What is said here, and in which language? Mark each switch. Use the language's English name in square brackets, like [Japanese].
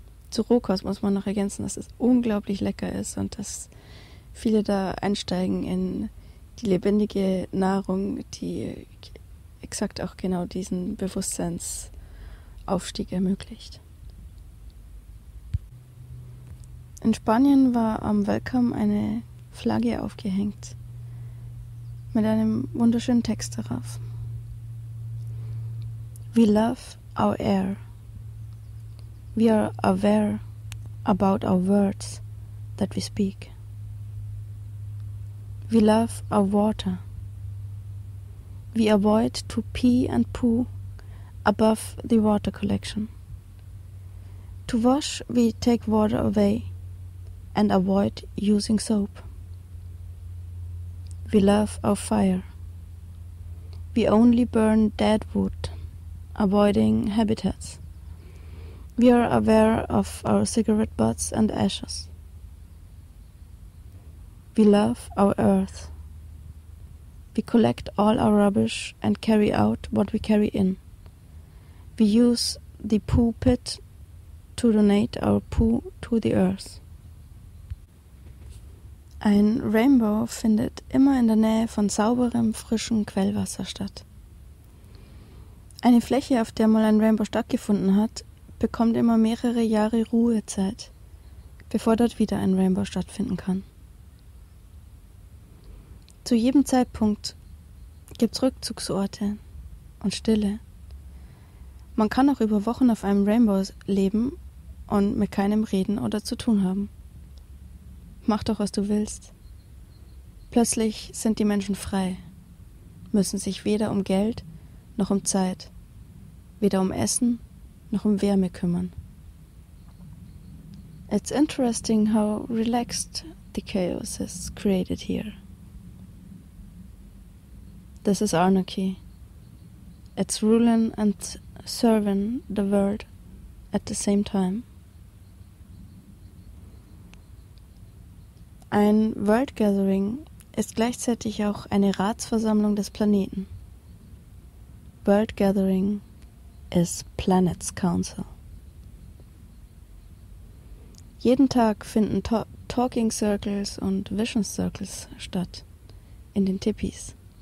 [German] Zu Rohkost muss man noch ergänzen, dass es unglaublich lecker ist und dass viele da einsteigen in die lebendige Nahrung, die exakt auch genau diesen Bewusstseinsaufstieg ermöglicht. In Spanien war am Welcome eine Flagge aufgehängt mit einem wunderschönen Text darauf. [English] We love our air. We are aware about our words that we speak. We love our water. We avoid to pee and poo above the water collection. To wash, we take water away and avoid using soap. We love our fire. We only burn dead wood, avoiding habitats. We are aware of our cigarette butts and ashes. We love our earth. We collect all our rubbish and carry out what we carry in. We use the poo pit to donate our poo to the earth. [German] Ein Rainbow findet immer in der Nähe von sauberem, frischem Quellwasser statt. Eine Fläche, auf der mal ein Rainbow stattgefunden hat, bekommt immer mehrere Jahre Ruhezeit, bevor dort wieder ein Rainbow stattfinden kann. Zu jedem Zeitpunkt gibt es Rückzugsorte und Stille. Man kann auch über Wochen auf einem Rainbow leben und mit keinem reden oder zu tun haben. Mach doch, was du willst. Plötzlich sind die Menschen frei, müssen sich weder um Geld noch um Zeit, weder um Essen noch um Wärme kümmern. [English] It's interesting how relaxed the chaos is created here. This is anarchy. It's ruling and serving the world at the same time. [German] Ein World Gathering ist gleichzeitig auch eine Ratsversammlung des Planeten. World Gathering ist Planets Council. Jeden Tag finden Talking Circles und Vision Circles statt, in den Tipis.